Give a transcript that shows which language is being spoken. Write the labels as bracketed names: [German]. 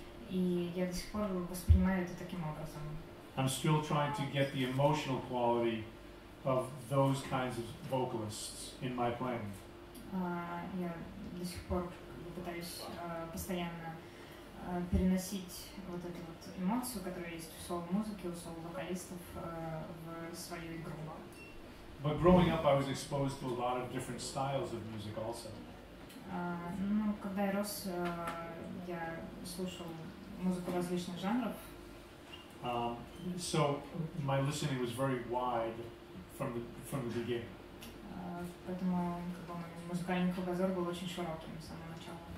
[Russian] И я до сих пор воспринимаю это таким образом. [English] I'm still trying to get the emotional quality of those kinds of vocalists in my playing. [Russian] Я до сих пор пытаюсь постоянно переносить вот эту вот эмоцию, которая есть у соло-музыки, у соло-вокалистов, в свою игру. [English] But growing up, I was exposed to a lot of different styles of music also. [Russian] Ну, когда я рос, я слушал музыку различных жанров. [English] So my listening was very wide from the beginning. [Russian] Поэтому как бы мой музыкальный кругозор был очень широким с самого начала.